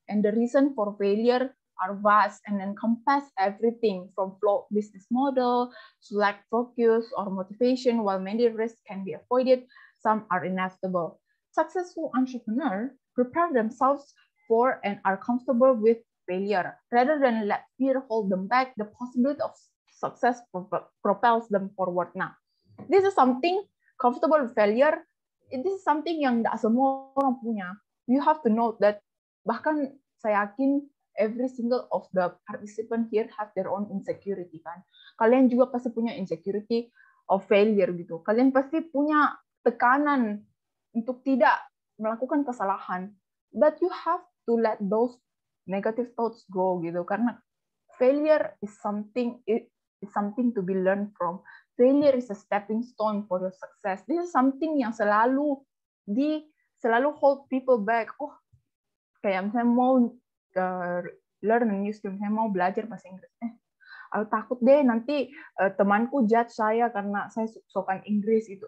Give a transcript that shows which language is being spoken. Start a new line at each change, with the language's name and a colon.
English: And the reason for failure are vast and encompass everything from flawed business model, lack of focus or motivation, while many risks can be avoided, some are inevitable. Successful entrepreneurs prepare themselves for and are comfortable with failure. Rather than let fear hold them back, the possibility of success propels them forward now. This is something comfortable with failure. This is something
Indonesian: yang gak semua orang punya.
English: You have to note that
Indonesian: bahkan saya yakin
English: every single of the participant here have their own insecurity kan.
Indonesian: Kalian juga pasti punya
English: insecurity of failure
Indonesian: gitu. Kalian pasti punya tekanan untuk tidak melakukan kesalahan.
English: But you have to let those negative thoughts go gitu. Karena failure is something, it is something to be learned from. Failure is a stepping stone for your success. This is something
Indonesian: yang selalu di selalu
English: hold people back.
Indonesian: Oh, kayak misalnya mau
English: learn a new skill,
Indonesian: saya mau belajar bahasa Inggris. Aku takut deh nanti temanku judge saya karena saya sokan Inggris itu.